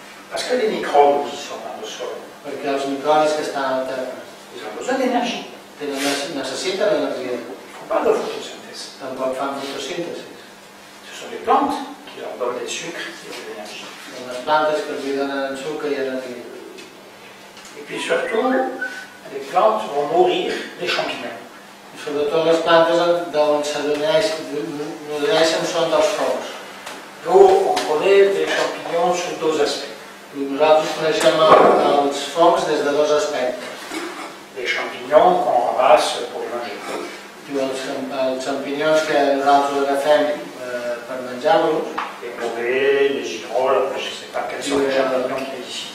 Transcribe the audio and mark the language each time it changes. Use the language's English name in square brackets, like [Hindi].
[French] Parce que les microbes qui sont dans le sol. [Catalan] Perquè els microbes que estan a la terra. [French] Ils ont besoin d'énergie. [Catalan] Necessiten energia. [French] Ils ne font pas de photosynthèse. [Catalan] Tampoc fan fotosíntesi. [French] Ce sont les plantes qui leur donnent des sucres et de l'énergie. [Catalan] Són les plantes que els donen sucre i energia. [French] Et puis surtout, les plantes vont mourir des champignons. Et surtout les plantes d'on s'adonneixen sont dels fongs. Nous, on connaît les champignons sous deux aspects. [Catalan] Nosaltres coneixem els fongs des de dos aspectes. [French] Les champignons qu'on ramasse pour manger. [Catalan] Els champignons que nosaltres agafem per menjar-los. [French] Les mollets, les giroles, je ne sais pas quels sont les champignons qui sont ici.